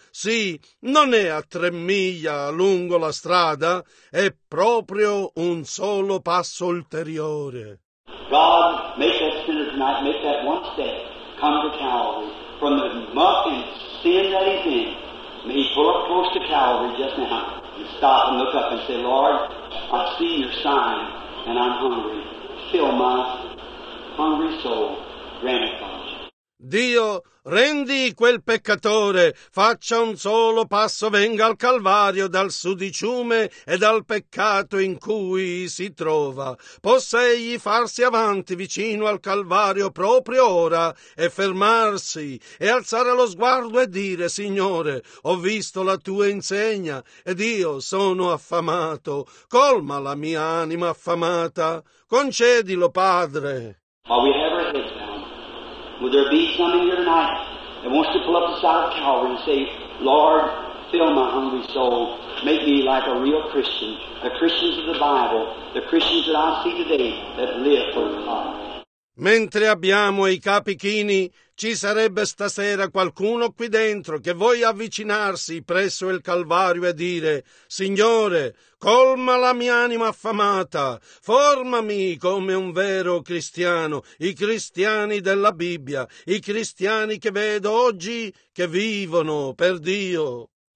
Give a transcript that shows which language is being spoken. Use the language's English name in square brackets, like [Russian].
[Italian] Sì, non è a 3 miglia lungo la strada, è proprio un solo passo ulteriore. [English] God, make that sinner tonight, make that one step. Come to Calvary. From the muck and sin that he's in, may he pull up close to Calvary just now and stop and look up and say, Lord, I've seen your sign and I'm hungry. Fill my hungry soul. Grant it, Father. [Italian] Dio, rendi quel peccatore, faccia un solo passo, venga al Calvario dal sudiciume e dal peccato in cui si trova. Possa egli farsi avanti vicino al Calvario proprio ora e fermarsi e alzare lo sguardo e dire, Signore, ho visto la tua insegna ed io sono affamato. Colma la mia anima affamata. Concedilo, Padre. [English] Would there be some in here tonight that wants to pull up the side of Calvary and say, Lord, fill my hungry soul. Make me like a real Christian, the Christians of the Bible, the Christians that I see today that live for God. [Italian] Mentre abbiamo i capi chini, ci sarebbe stasera qualcuno qui dentro che voglia avvicinarsi presso il Calvario e dire, Signore, colma la mia anima affamata, formami come un vero cristiano, i cristiani della Bibbia, i cristiani che vedo oggi che vivono per Dio.